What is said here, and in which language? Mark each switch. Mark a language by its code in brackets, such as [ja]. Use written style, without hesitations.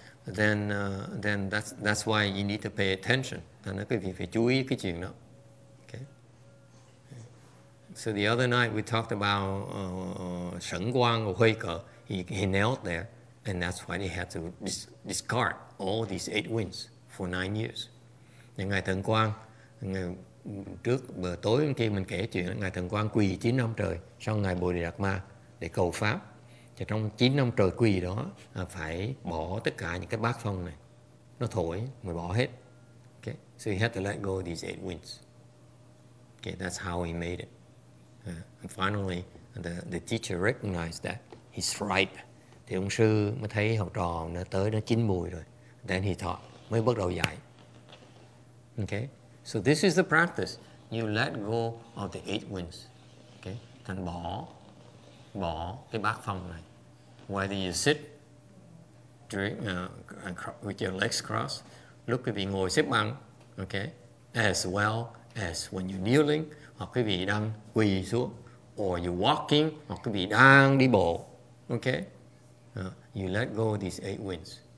[en] then that's why you need to pay attention. Okay. So the other night we talked about Sheng Guang or Hui Ge. He knelt there, and that's why he had to discard all these eight winds for 9 years. [vi] Ngài Thần Quang, ngày trước bữa tối hôm kia mình kể chuyện, Ngài Thần Quang quỳ 9 năm trời sau Ngài Bồ Đề Đạt Ma để cầu Pháp. Thì trong 9 năm trời quỳ đó, phải bỏ tất cả những cái bát phong này. Nó thổi, mình bỏ hết. Okay. [en] So he had to let go of these eight winds. Okay, that's how he made it. And finally, the teacher recognized that he's ripe. [vi] Thì ông sư mới thấy học trò nó tới nó chín mùi rồi. [en] Then he taught, [vi] mới bắt đầu dạy. [en] Okay, so this is the practice. You let go of the eight winds. [vi] Okay, thành bỏ cái bát phong này. [en] Whether you sit during, with your legs crossed, [vi] lúc quý vị ngồi xếp bằng, [en] okay, as well as when you're kneeling, [vi] hoặc quý vị đang quỳ xuống, [en] or you're walking, [vi] hoặc quý vị đang đi bộ, [en] okay, you let go of these eight winds.